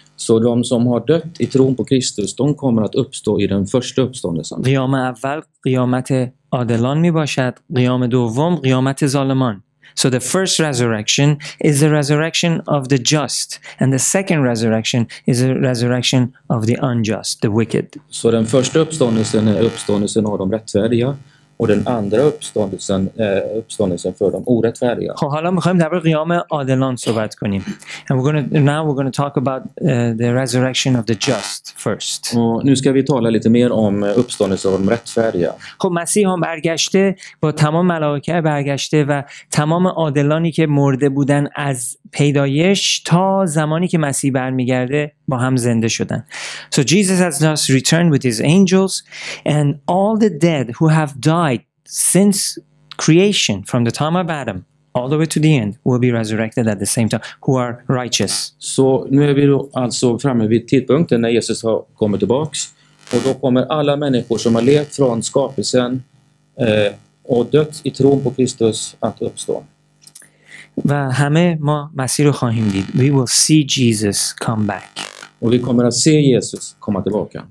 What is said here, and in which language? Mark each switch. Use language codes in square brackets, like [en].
[sv] Så de som har dött i tron på Kristus, de kommer att uppstå i den första uppståndelsen. [fa] قیام اول قیامت عادلان می باشد. قیام دوم قیامت ظالمان. [en] So the first resurrection is the resurrection of the just and the second resurrection is the resurrection of the unjust, the wicked. [sv] Så den första uppståndelsen är uppståndelsen av de rättfärdiga och den andra uppståndelsen är uppståndelsen för de orättfärdiga. Och hålla med om det här [fa] قیام عادلان صحبت کنیم. [en] And we're going to talk about the resurrection of the just first. [sv] Och nu ska vi tala lite mer om uppståndelsen av de rättfärdiga. [fa] خب مسیح هم برگشته با تمام ملائکه برگشته و تمام عادلانی که مرده بودن از پیدایش تا زمانی که مسیح برمیگرده با هم زنده شدن. [en] So Jesus has now returned with his angels and all the dead who have died since creation from the time of Adam all the way to the end will be resurrected at the same time who are righteous. [sv] Så nu är vi då alltså framme vid tidpunkten när Jesus har kommit tillbaks och då kommer alla människor som har levt från skapelsen och dött i tron på Kristus att uppstå. [fa] و همه ما مسیر رو خواهیم دید. [en] We will see Jesus come back. [sv] Och vi kommer att se Jesus komma tillbaka.